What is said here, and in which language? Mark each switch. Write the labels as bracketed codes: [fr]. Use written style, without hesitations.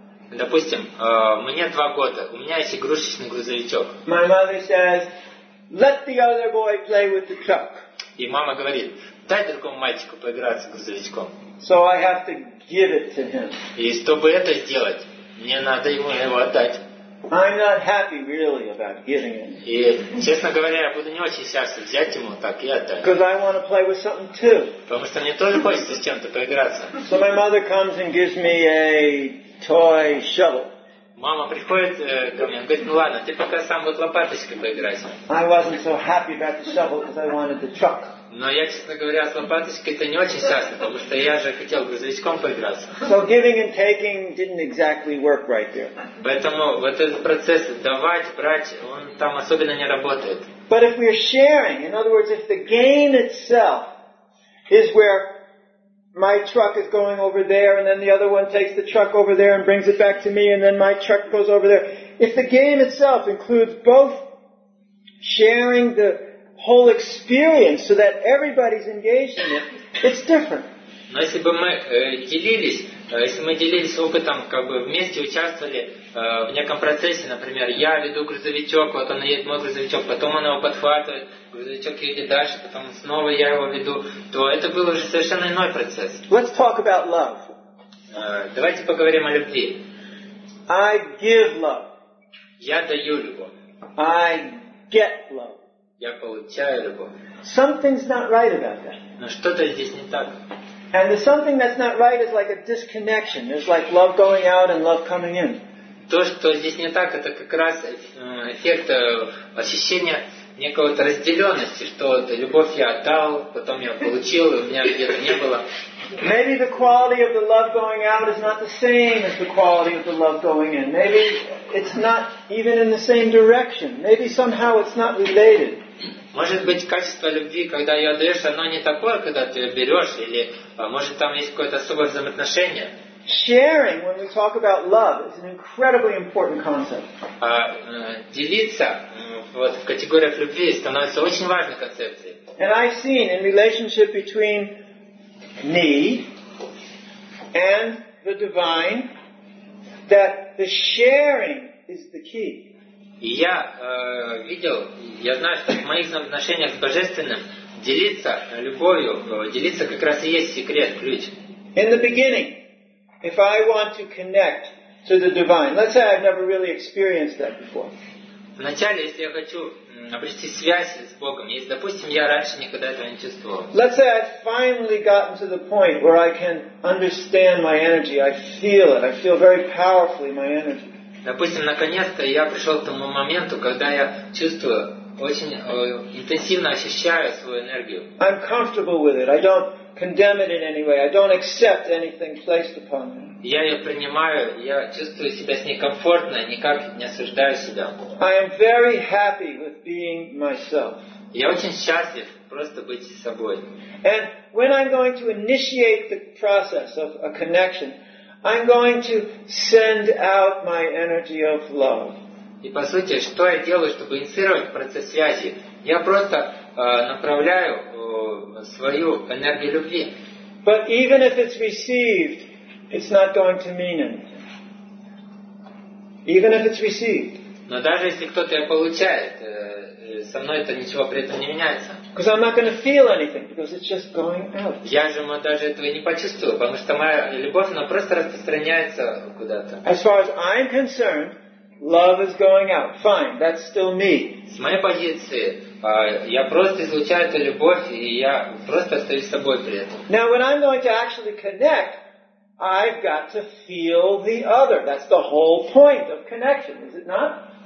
[ru] Допустим, мне 2 года, у меня есть игрушечный грузовичок. [en] My mother says, let the other boy play with the truck. [ru] И мама говорит, дай другому мальчику поиграться с грузовичком. [en] So I have to give it to him. [ru] И чтобы это сделать, мне надо ему его отдать. [en] I'm not happy really about giving it. [ru] И, честно говоря, я буду не очень счастлив взять ему так и отдать. [en] Because I want to play with something too. [ru] Потому что мне тоже хочется с чем-то поиграться. [en] So my mother comes and gives me a toy shovel. [ru] Мама приходит ко мне, говорит: "Ну ладно, ты пока сам вот лопаточкой поиграй". [en] I wasn't so happy about the shovel because I wanted the truck. [ru] Но я, честно говоря, с лопаточкой-то не очень счастлив, потому что я же хотел грузовичком поиграться. [en] So giving and taking didn't exactly work right there. [ru] Поэтому вот этот процесс давать, брать, он там особенно не работает. [en] But if we're sharing, in other words, if the gain itself is where my truck is going over there, and then the other one takes the truck over there and brings it back to me, and then my truck goes over there. If the game itself includes both sharing the whole experience so that everybody's engaged in it, it's different. [ru] Но если бы мы делились, если мы делились опытом, как бы вместе участвовали в неком процессе, например, я веду грузовичок, вот он едет мой грузовичок, потом он его подхватывает, грузовичок едет дальше, потом снова я его веду, то это был уже совершенно иной процесс. [en] Let's talk about love. [ru] Давайте поговорим о любви. [en] I give love. [ru] Я даю любовь. [en] I get love. [ru] Я получаю любовь. [en] Something's not right about that. [ru] Но что-то здесь не так. [en] And the something that's not right is like a disconnection. It's like love going out and love coming in. [ru] То, что здесь не так, это как раз эффект ощущения некой вот разделенности, что вот любовь я отдал, потом я получил, и у меня где-то не было. [en] Maybe the quality of the love going out is not the same as the quality of the love going in. Maybe it's not even in the same direction. Maybe somehow it's not related. [ru] Может быть, качество любви, когда ее отдаешь, оно не такое, когда ты ее берешь, или может там есть какое-то особое взаимоотношение. [en] Sharing, when we talk about love, is an incredibly important concept. [ru] Делиться вот в категориях любви становится очень важной концепцией. [en] And I've seen in relationship between me and the divine that the sharing is the key. [ru] И я видел, я знаю, что в моих отношениях с Божественным делиться любовью, делиться как раз и есть секрет, ключ. [en] In the beginning, if I want to connect to the divine, let's say I've never really experienced that before. [ru] Вначале, если я хочу обрести связь с Богом, если, допустим, я раньше никогда этого не чувствовал. [en] Let's say I've finally gotten to the point where I can understand my energy. I feel it. I feel very powerfully my energy. [ru] Допустим, наконец-то я пришел к тому моменту, когда я чувствую, очень интенсивно ощущаю свою энергию. [en] I'm comfortable with it. I don't condemn it in any way. I don't accept anything placed upon me. [ru] Я ее принимаю, я чувствую себя с ней комфортно, никак не осуждаю себя. [en] I am very happy with being myself. [ru] Я очень счастлив просто быть собой. [en] And when I'm going to initiate the process of a connection, I'm going to send out my energy of love. [ru] И по сути, что я делаю, чтобы инициировать процесс связи? Я просто направляю свою энергию любви. [en] But even if it's received, it's not going to mean anything. Even if it's received. [ru] Но даже если кто-то ее получает, со мной это ничего при этом не меняется. [en] Because I'm not going to feel anything, because it's just going out. [ru] Я же даже этого не почувствую, потому что моя любовь, она просто распространяется куда-то. [en] As far as I'm concerned, love is going out. Fine, that's still me. [ru] С моей позиции, я просто излучаю эту любовь, и я просто остаюсь собой при этом. [en] Now, when I'm going to actually connect, I've got to feel the other. That's the whole point of connection, is it not?